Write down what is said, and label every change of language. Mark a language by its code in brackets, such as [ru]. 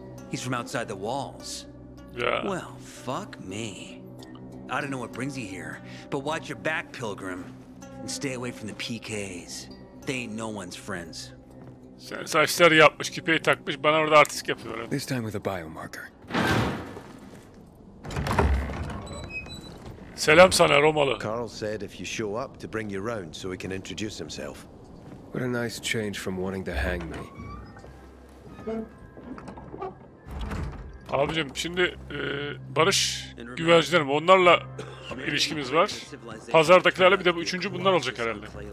[en] He's from outside the walls. Yeah. Well, fuck me. I don't know what brings you here, but watch your back, pilgrim, and stay away from the PKs. They ain't no one's friends. [tr] Sen saçları yapmış, küpeyi takmış, bana orada artistik yapıyor. [en] This time with a biomarker. [tr] Selam sana Romalı. [en] Carl said if you show up to bring your own so he can introduce himself. What a nice change from wanting to hang me. [tr] Abicim şimdi barış güvercinler mi? Onlarla ilişkimiz var. Pazardakilerle bir de bu üçüncü bunlar olacak herhalde.